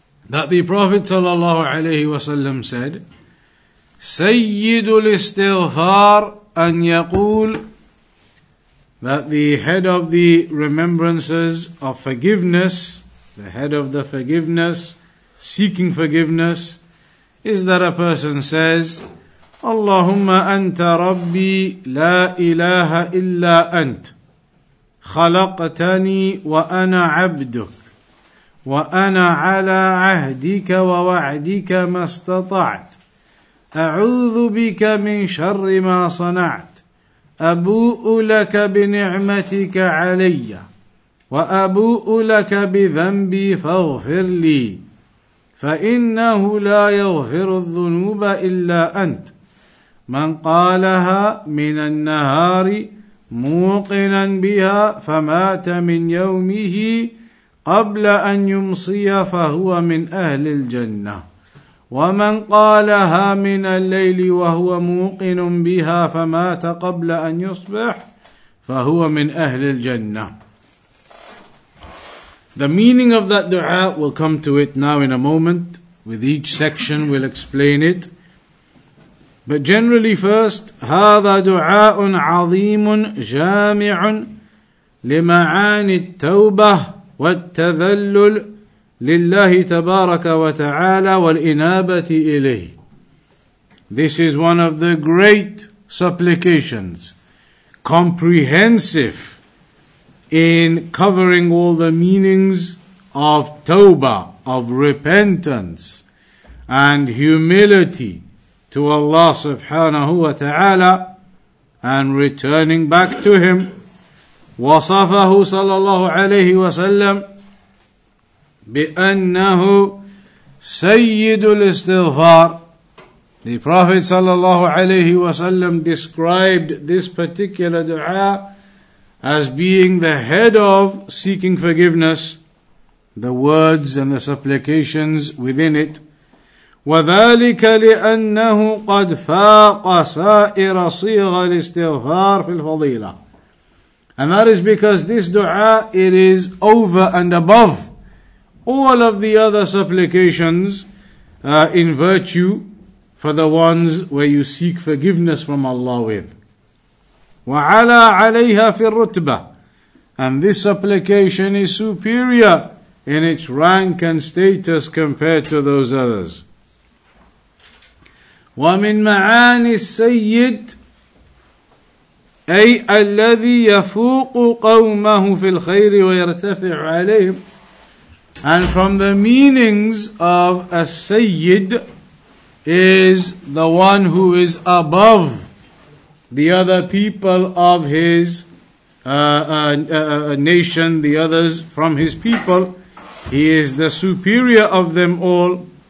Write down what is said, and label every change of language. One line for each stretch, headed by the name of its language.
English: that the Prophet sallallahu alayhi wa sallam said,
Arabic: Sayyidul Istighfar an yaqul,
English: that the head of the remembrances of forgiveness, the head of the forgiveness, seeking forgiveness, is that a person says,
Arabic: Allahumma anta rabbi la ilaha illa ant, khalaqtani wa ana abduk. وَأَنَا عَلَىٰ عَهْدِكَ وَوَعْدِكَ مَا اسْتَطَعْتَ أَعُوذُ بِكَ مِنْ شَرِّ مَا صَنَعْتَ أَبُوءُ لَكَ بِنِعْمَتِكَ عَلَيَّ وَأَبُوءُ لَكَ بِذَنْبِي فَاغْفِرْ لِي فَإِنَّهُ لَا يَغْفِرُ الذُّنُوبَ إِلَّا أَنْتَ مَنْ قَالَهَا مِنَ النَّهَارِ مُوقِنًا بِهَا فَمَاتَ مِنْ يَوْمِهِ قبل أن يمصي فهو من أهل الجنة ومن قالها من الليل وهو موقن بها فمات قبل أن يصبح فهو من أهل الجنة.
English: The meaning of that dua, we'll come to it now in a moment. With each section we'll explain it. But generally first,
Arabic: هذا دعاء عظيم جامع لمعاني التوبة والتذلل لله تبارك وتعالى والإنابة إليه.
English: This is one of the great supplications, comprehensive in covering all the meanings of tawbah, of repentance and humility to Allah subhanahu wa ta'ala and returning back to Him.
Arabic: وصفه صلى الله عليه وسلم بأنه سيد الاستغفار.
English: The Prophet
Arabic: صلى الله عليه وسلم
English: described this particular dua as being the head of seeking forgiveness, the words and the supplications within it.
Arabic: وذلك لأنه قد فاق سائر صيغ الاستغفار في الفضيلة.
English: And that is because this dua, it is over and above all of the other supplications in virtue for the ones where you seek forgiveness from Allah with.
Arabic: وَعَلَىٰ عَلَيْهَا فِي الرُّتْبَةِ.
English: And this supplication is superior in its rank and status compared to those others.
Arabic: وَمِن مَعَانِ السَّيِّدِ أي الذي يفوق قومه في الخير ويرتفع عليهم.
English: And from the meanings of a Sayyid, is the one who is above the other people of his nation, the others from his people. He is the superior of them all.